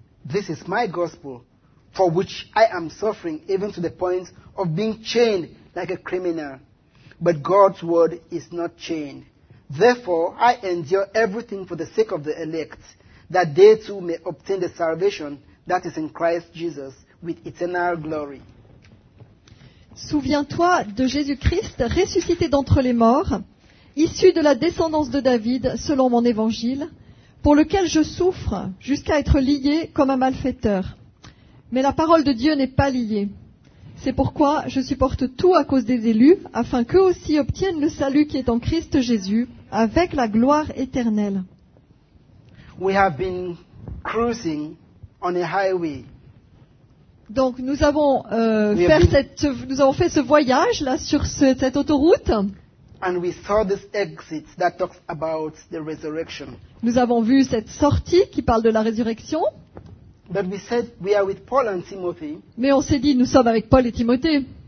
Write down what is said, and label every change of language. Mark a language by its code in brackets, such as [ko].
[en] This is my gospel, for which I am suffering even to the point of being chained like a criminal. But God's word is not chained. Therefore, I endure everything for the sake of the elect, that they too may obtain the salvation that is in Christ Jesus with eternal glory. [fr] Souviens-toi de Jésus-Christ, ressuscité d'entre les morts, issu de la descendance de David, selon mon évangile, pour lequel je souffre jusqu'à être lié comme un malfaiteur. Mais la parole de Dieu n'est pas liée. C'est pourquoi je supporte tout à cause des élus, afin qu'eux aussi obtiennent le salut qui est en Christ Jésus, avec la gloire éternelle. [en] We have been cruising on a highway. [fr] Donc nous avons fait ce voyage là sur cette autoroute. [en] And we saw this exit that talks about the resurrection. [fr] Nous avons vu cette sortie qui parle de la résurrection. [en] But we said we are with Paul and Timothy. [fr] Mais on s'est dit nous sommes avec Paul et Timothée.